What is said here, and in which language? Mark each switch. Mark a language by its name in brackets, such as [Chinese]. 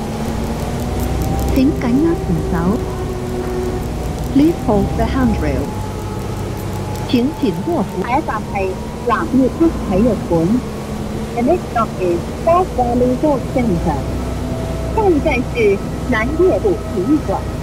[Chinese] 扶手。 [English] Please hold the handrail. [Chinese] 请紧握扶。下一站是南越谷体育馆。 [English] The next stop is Fort Valley Sports Center. [Chinese] 下一站是南越谷体育馆。